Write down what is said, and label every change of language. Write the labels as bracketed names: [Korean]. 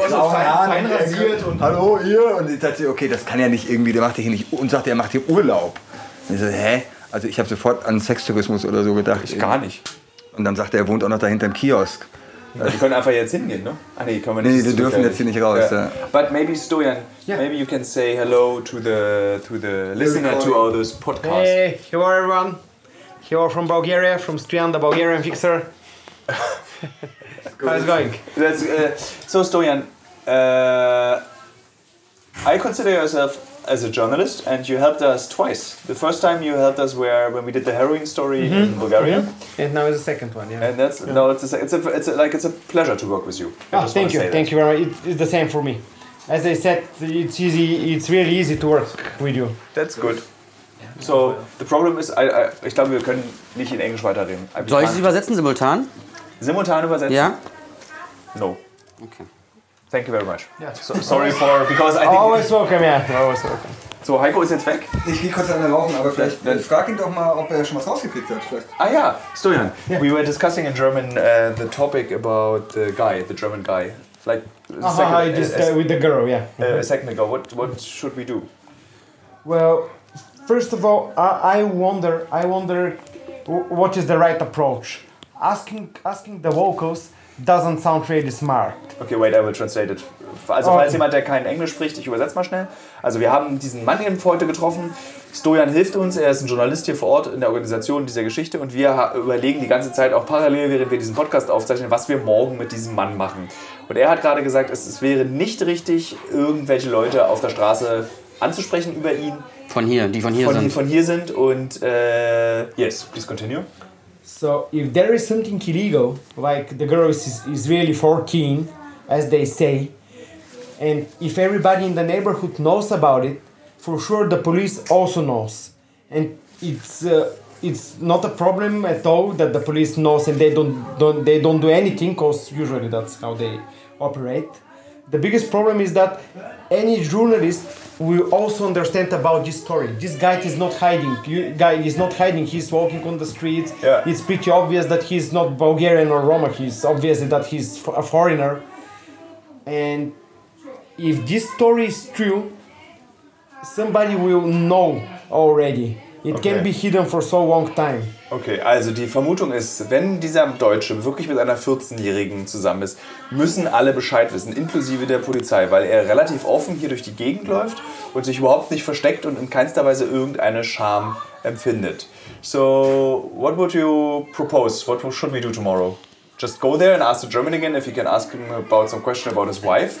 [German] mit grauen Haaren. Fein rasiert und hallo, hier. Und ich dachte, okay, das kann ja nicht irgendwie, der macht hier nicht, und sagt, er macht hier Urlaub. Und ich so, hä? Also ich habe sofort an Sextourismus oder so gedacht. Ich gar nicht. Und dann sagt er, er wohnt auch noch dahinter im Kiosk. Also, wir können einfach jetzt hingehen, ne? Ah, nee, können wir nicht. Nee, wir dürfen jetzt hier nicht raus, ja. [English] But maybe, Stojan, yeah, maybe you can say hello to the listener to all those podcasts. Hey, hello everyone. You are from Bulgaria, from Stojan, the Bulgarian fixer. How is it going? So, Stojan, I consider yourself as a journalist, and you helped us twice. The first time you helped us were when we did the heroin story, mm-hmm, in Bulgaria. Mm-hmm. And now it's the second one, yeah. And that's, yeah. No, it's a pleasure to work with you. Oh, thank you. Thank you very much. It's the same for me. As I said, it's easy. It's really easy to work with you. That's good. So, the problem is, [German] ich glaube, wir können nicht in Englisch weiterreden. Soll ich es übersetzen, simultan? Simultan übersetzen? Ja. [English] No. Okay. Thank you very much. Yeah. So, sorry for, because I think... Always welcome, yeah. Always welcome. [German] So, Heiko ist jetzt weg. Ich gehe kurz an den Rauchen, aber vielleicht frag ihn doch mal, ob er schon was rausgekriegt hat. Vielleicht. Ah ja, Stojan. [English] Yeah. We were discussing in German the topic about the guy, the German guy. Like, with the girl, yeah. A second ago. What should we do? Well... First of all, I wonder, what is the right approach? Asking the locals doesn't sound really smart. Okay, wait, I will translate it. [German] Also, falls jemand, der kein Englisch spricht, ich übersetze mal schnell. Also, wir haben diesen Mann hier heute getroffen. Stojan hilft uns, er ist ein Journalist hier vor Ort in der Organisation dieser Geschichte. Und wir überlegen die ganze Zeit auch parallel, während wir diesen Podcast aufzeichnen, was wir morgen mit diesem Mann machen. Und er hat gerade gesagt, es wäre nicht richtig, irgendwelche Leute auf der Straße anzusprechen über ihn. Von hier, die von hier von, sind. Die von hier sind und, [English] yes, please continue. So, if there is something illegal, like the girl is really 14, as they say, and if everybody in the neighborhood knows about it, for sure the police also knows. And it's not a problem at all that the police knows and they don't do anything, because usually that's how they operate. The biggest problem is that any journalist will also understand about this story. This guy is not hiding. He's walking on the streets. Yeah. It's pretty obvious that he's not Bulgarian or Roma. He's obviously that he's a foreigner. And if this story is true, somebody will know already. It can be hidden for so long time. [German] Okay, also die Vermutung ist, wenn dieser Deutsche wirklich mit einer 14-Jährigen zusammen ist, müssen alle Bescheid wissen, inklusive der Polizei, weil er relativ offen hier durch die Gegend läuft und sich überhaupt nicht versteckt und in keinster Weise irgendeine Scham empfindet. [English] So, what would you propose? What should we do tomorrow? Just go there and ask the German again if he can ask him about some question about his wife.